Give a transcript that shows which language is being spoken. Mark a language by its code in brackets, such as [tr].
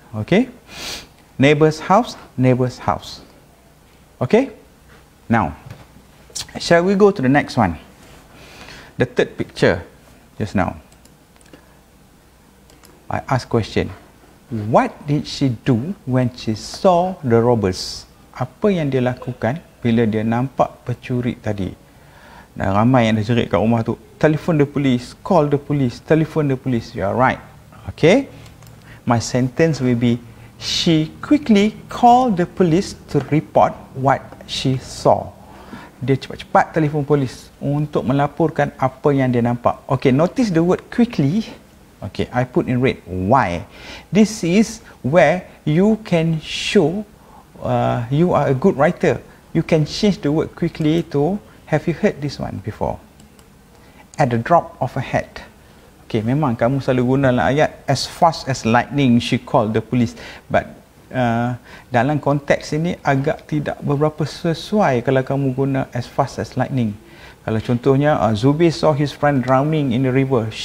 [en] Okay, neighbor's house, neighbor's house. Okay, now, shall we go to the next one? The third picture, just now. I ask question. What did she do when she saw the robbers? [ms] Apa yang dia lakukan bila dia nampak pencuri tadi? Dah ramai yang dah jerit kat rumah tu. Telefon the police. [en] Call the police. [ms] Telefon the police. [en] You are right. Okay? My sentence will be, she quickly called the police to report what she saw. [ms] Dia cepat-cepat telefon polis untuk melaporkan apa yang dia nampak. [en] Okay, notice the word quickly. Okay, I put in red. Why? This is where you can show you are a good writer. You can change the word quickly to, have you heard this one before? At the drop of a hat. Okay, [ms] memang kamu selalu guna lah ayat [en] as fast as lightning she called the police. [ms] But dalam konteks ini agak tidak beberapa sesuai kalau kamu guna [en] as fast as lightning. [ms] Kalau contohnya, [en] Zubi saw his friend drowning in the river.